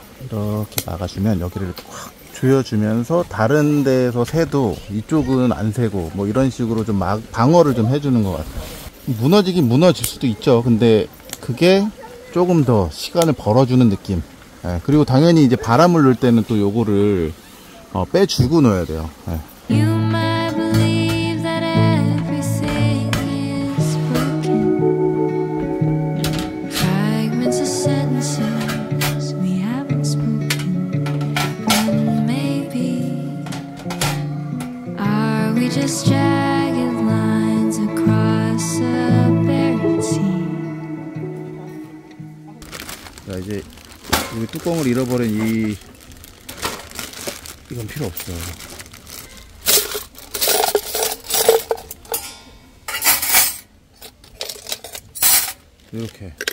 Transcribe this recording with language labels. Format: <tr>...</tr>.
<ko>이렇게 막아주면 여기를 꽉 조여주면서 다른 데에서 새도 이쪽은 안 새고 뭐 이런 식으로 좀 막 방어를 좀 해주는 것 같아. 무너지긴 무너질 수도 있죠. 근데 그게 조금 더 시간을 벌어주는 느낌. 예, 그리고 당연히 이제 바람을 넣을 때는 또 요거를 빼주고 넣어야 돼요. 예.</ko> <en>You might believe that everything is broken. Fragments of sentences we haven't spoken. And maybe are we just jagged lines across a barren sea?</en> <ko>자, 이제 여기 뚜껑을 잃어버린 이, 이건 필요 없어. 이렇게.</ko>